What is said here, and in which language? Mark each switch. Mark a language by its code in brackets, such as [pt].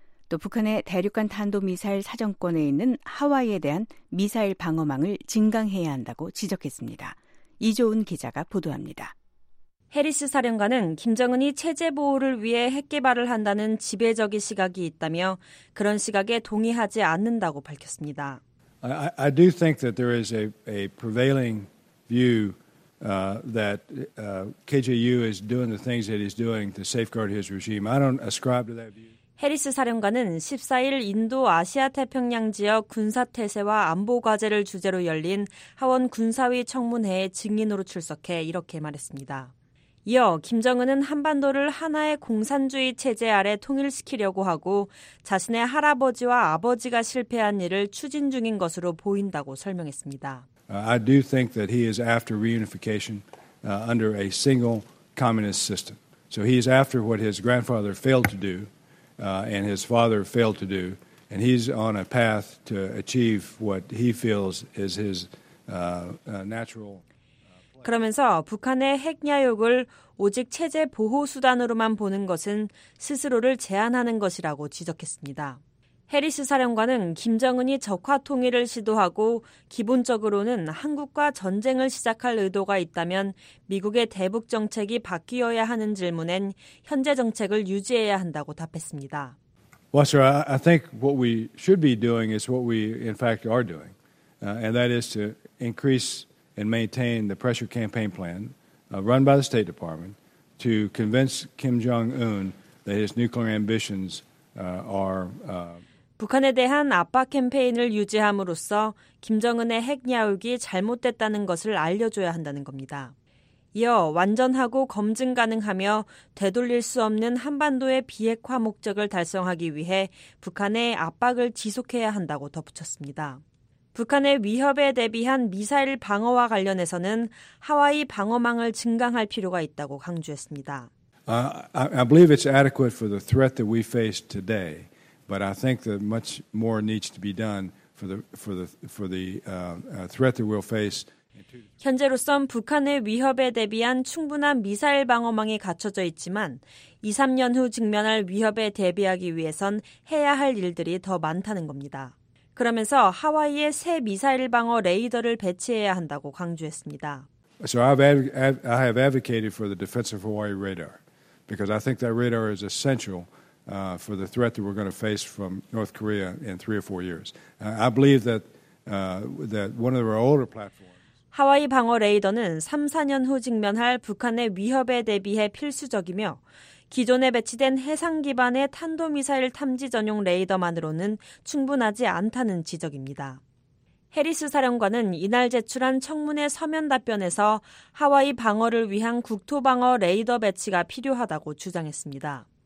[ko] 또 북한의 대륙간 탄도미사일 사정권에 있는 하와이에 대한 미사일 방어망을 증강해야 한다고 지적했습니다. 이조은 기자가 보도합니다. 해리스 사령관은 김정은이 체제 보호를 위해 핵 개발을 한다는 지배적인 시각이 있다며 그런 시각에 동의하지 않는다고 밝혔습니다. [en] I do think that there is a prevailing view that KJU is doing the things that he's doing to safeguard his regime. I don't ascribe to that view. [ko] 해리스 사령관은 14일 인도 아시아 태평양 지역 군사 태세와 안보 과제를 주제로 열린 하원 군사위 청문회에 증인으로 출석해 이렇게 말했습니다. 이어 김정은은 한반도를 하나의 공산주의 체제 아래 통일시키려고 하고 자신의 할아버지와 아버지가 실패한 일을 추진 중인 것으로 보인다고 설명했습니다. [en] I do think that he is after reunification under a single communist system. So he is after what his grandfather failed to do and his father failed to do and he's on a path to achieve what he feels is his natural [ko] 그러면서 북한의 핵 야욕을 오직 체제 보호 수단으로만 보는 것은 스스로를 제한하는 것이라고 지적했습니다. 해리스 사령관은 김정은이 적화 통일을 시도하고 기본적으로는 한국과 전쟁을 시작할 의도가 있다면 미국의 대북 정책이 바뀌어야 하는 질문엔 현재 정책을 유지해야 한다고 답했습니다. [en] Well, sir, I think what we should be doing is what we in fact are doing. And that is to increase and maintain the pressure campaign plan run by the State Department to convince Kim Jong-un that his nuclear ambitions are [ko] 북한에 대한 압박 캠페인을 유지함으로써 김정은의 핵 야욕이 잘못됐다는 것을 알려줘야 한다는 겁니다. 이어 완전하고 검증 가능하며 되돌릴 수 없는 한반도의 비핵화 목적을 달성하기 위해 북한의 압박을 지속해야 한다고 덧붙였습니다. 북한의 위협에 대비한 미사일 방어와 관련해서는 하와이 방어망을 증강할 필요가 있다고 강조했습니다. [en] I believe it's adequate for the threat that we face today, but I think that much more needs to be done for the threat that we'll face. [ko] 현재로선 북한의 위협에 대비한 충분한 미사일 방어망이 갖춰져 있지만 2, 3년 후 직면할 위협에 대비하기 위해선 해야 할 일들이 더 많다는 겁니다. 그러면서 하와이에 새 미사일 방어 레이더를 배치해야 한다고 강조했습니다. [en] So I have advocated for the Defense of Hawaii radar because I think that radar is essential for the threat that we're going to face from North Korea in 3 or 4 years. I believe that one of our older platforms. [ko] 하와이 방어 레이더는 3, 4년 후 직면할 북한의 위협에 대비해 필수적이며 기존에 배치된 해상 기반의 탄도미사일 탐지 전용 레이더만으로는 충분하지 않다는 지적입니다. 해리스 사령관은 이날 제출한 청문회 서면 답변에서 하와이 방어를 위한 국토방어 레이더 배치가 필요하다고 주장했습니다.